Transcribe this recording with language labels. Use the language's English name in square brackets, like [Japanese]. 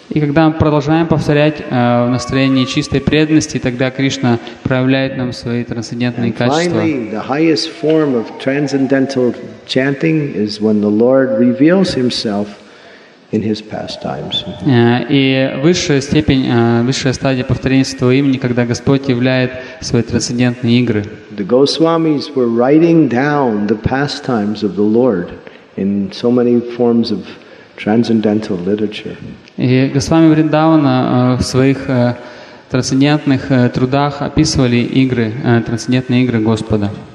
[Russian] И когда мы продолжаем повторять в настроении чистой преданности, тогда Кришна проявляет нам свои трансцендентные качества. [English] And finally, the highest form of transcendental chanting is when the Lord reveals himself in his pastimes. [Russian] И высшая степень, высшая стадия повторения Святого имени, когда Господь являет свои трансцендентные игры. [English] The Goswamis were writing down the pastimes of the Lord in so many forms of transcendental literature. [Russian] И Госвами Вриндавана в своих трансцендентных трудах описывали игры, трансцендентные игры Господа.